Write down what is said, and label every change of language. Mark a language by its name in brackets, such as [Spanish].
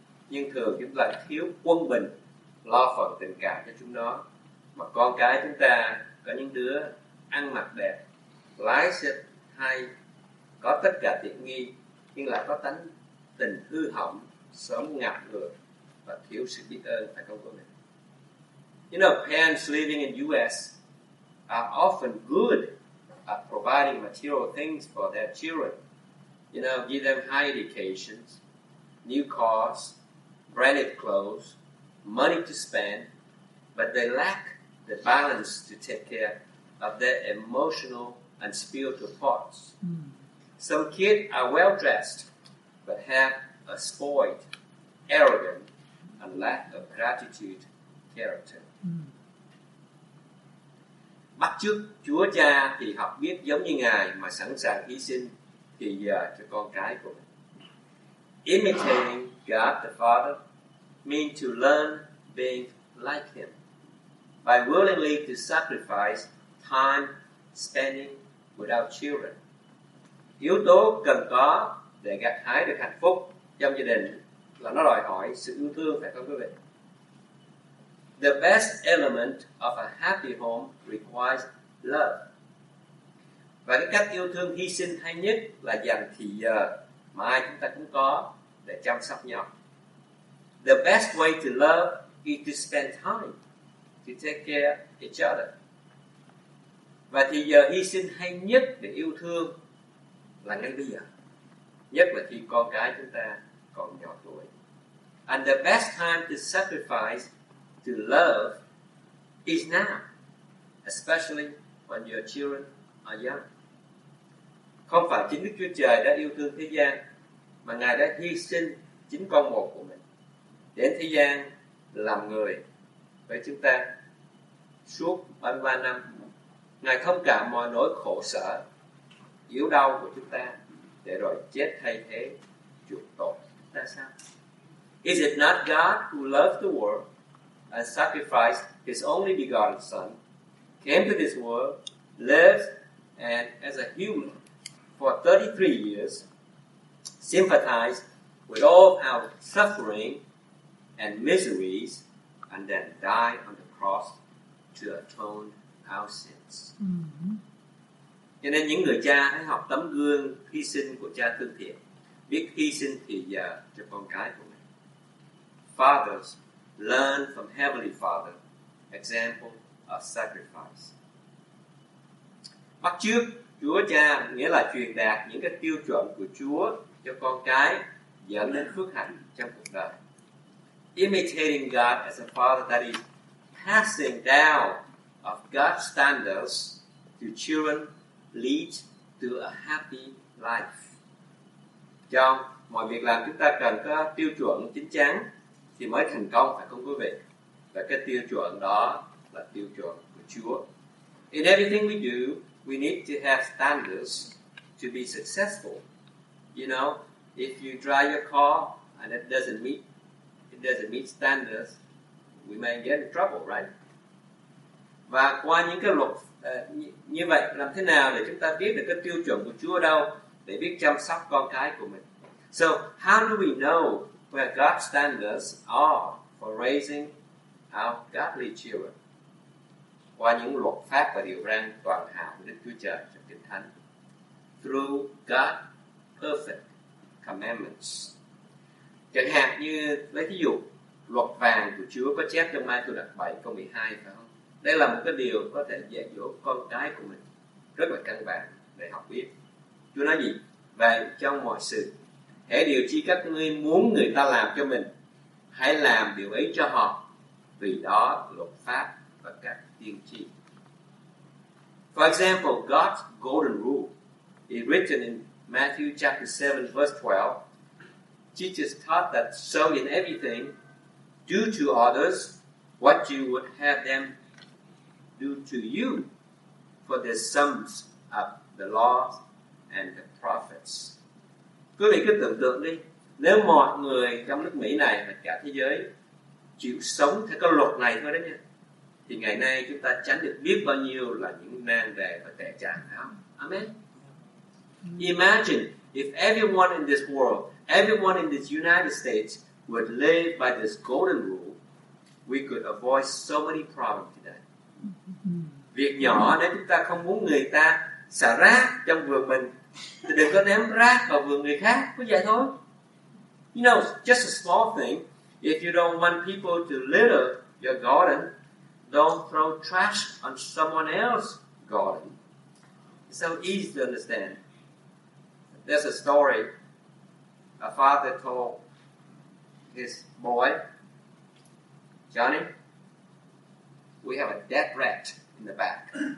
[Vietnamese] Nhưng thường chúng ta thiếu quân bình lo phần tình cảm cho chúng nó. Mà con cái chúng ta có những đứa ăn mặc đẹp, lái xe hay, có tất cả tiện nghi, nhưng lại có tánh tình hư hỏng, sớm ngập ngừa và thiếu sự biết ơn, phải không quý vị? [English] You know, parents living in US are often good at providing material things for their children. You know, give them high educations, new cars, branded clothes, money to spend, but they lack the balance to take care of their emotional and spiritual parts. Some kids are well dressed, but have a spoiled, arrogant, and lack of gratitude character. [Vietnamese] Bắt chước Chúa Cha thì học biết giống như Ngài mà sẵn sàng hy sinh thì giờ cho con cái của mình. [English] Imitating God the Father means to learn being like Him by willingly to sacrifice time spending with our children. [Vietnamese] Yếu tố cần có để gặt hái được hạnh phúc trong gia đình là nó đòi hỏi sự yêu thương, phải không quý vị? [English] The best element of a happy home requires love. [Vietnamese] Và cái cách yêu thương hy sinh hay nhất là dành thì giờ mà ai chúng ta cũng có để chăm sóc nhau. [English] The best way to love is to spend time to take care of each other. [Vietnamese] Và thì giờ hy sinh hay nhất để yêu thương là ngay bây giờ, nhất là khi con cái chúng ta còn nhỏ tuổi. [English] And the best time to sacrifice to love is now, especially when your children are young. [Vietnamese] Không phải chính Đức Chúa Trời đã yêu thương thế gian, mà Ngài đã hy sinh chính con một của mình đến thế gian làm người với chúng ta suốt 33 năm. Ngài thông cảm mọi nỗi khổ sở, yếu đau của chúng ta để rồi chết thay thế chuộc tội chúng ta sao? [English] Is it not God who loved the world and sacrificed His only begotten Son, came to this world, lived and as a human for 33 years, sympathized with all our suffering and miseries, and then died on the cross to atone our sins. [Vietnamese] Cho nên những người cha hãy học tấm gương hy sinh của cha thương thiện, biết hy sinh thì giờ cho con cái của mình. [English] Fathers, learn from Heavenly Father, example of sacrifice. [Vietnamese] Bắt chước Chúa Cha nghĩa là truyền đạt những cái tiêu chuẩn của Chúa cho con cái dẫn đến phước hạnh trong cuộc đời. [English] Imitating God as a father, that is passing down of God's standards to children, leads to a happy life. [Vietnamese] Trong mọi việc làm chúng ta cần có tiêu chuẩn chính chắn thì mới thành công, phải không quý vị? Và cái tiêu chuẩn đó là tiêu chuẩn của Chúa. [English] In everything we do, we need to have standards to be successful. You know, if you drive your car and it doesn't meet standards, we may get in trouble, right? [Vietnamese] Và qua những cái luật như vậy, làm thế nào để chúng ta biết được cái tiêu chuẩn của Chúa đâu để biết chăm sóc con cái của mình? [English] So, how do we know where God's standards are for raising our godly children? [Vietnamese] Qua những luật pháp và điều răn toàn hảo của Đức Chúa Trời trong Kinh Thánh. [English] Through God's perfect commandments. [Vietnamese] Chẳng hạn như, lấy ví dụ, luật vàng của Chúa có chép trong Matthew 7 câu 12, phải không? Đây là một cái điều có thể dạy dỗ con cái của mình rất là căn bản. để học biết. Chúa nói gì? Vậy cho mọi sự, hễ điều chi các ngươi muốn người ta làm cho mình, hãy làm điều ấy cho họ, vì đó luật pháp và các tiên tri. [English] For example, God's golden rule is written in Matthew chapter 7 verse 12. Jesus taught that so in everything, do to others what you would have them do to you, for the sums of the law and the prophets. [Vietnamese] Quý vị cứ tưởng tượng đi, nếu mọi người trong nước Mỹ này và cả thế giới chịu sống theo cái luật này thôi đấy nha, thì ngày nay chúng ta tránh được biết bao nhiêu là những nan đề và tệ trạng. [English] Amen. Imagine if everyone in this world, everyone in this United States would live by this golden rule, we could avoid so many problems today. [Vietnamese] Việc nhỏ nếu chúng ta không muốn người ta xả rác trong vườn mình, thì đừng có ném rác vào vườn người khác, có vậy thôi. [English] You know, just a small thing, if you don't want people to litter your garden, don't throw trash on someone else's garden. It's so easy to understand. There's a story. A father told his boy, Johnny, we have a dead rat in the back.